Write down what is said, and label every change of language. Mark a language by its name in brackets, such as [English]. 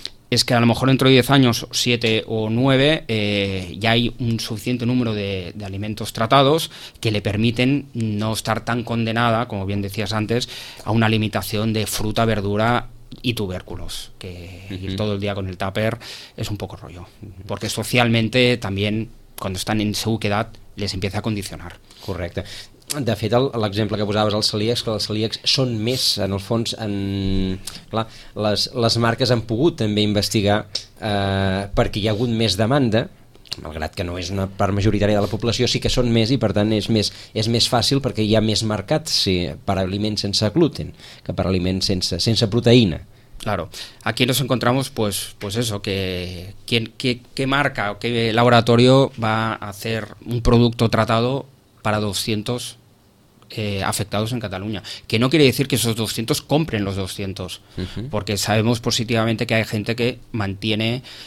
[Spanish] Es que a lo mejor dentro de 10 años, 7 o 9, ya hay un suficiente número de alimentos tratados que le permiten no estar tan condenada, como bien decías antes, a una limitación de fruta, verdura y tubérculos, que ir todo el día con el tupper es un poco rollo, porque socialmente también, cuando están en su edad, les empieza a condicionar. [Catalan] Correcte. De fet, l'exemple que posaves als celíacs, que els celíacs són més, en el fons, clar, les marques han pogut també investigar perquè hi ha hagut més demanda, malgrat que no és una part majoritària de la població, sí que són més i, per tant, és més fàcil perquè hi ha més mercat per aliments sense gluten que per aliments sense proteïna. [Spanish] Claro, aquí nos encontramos pues eso, que qué marca o qué laboratorio va a hacer un producto tratado para 200 afectados en Cataluña. Que no quiere decir que esos 200 compren los 200, porque sabemos positivamente que hay gente que mantiene...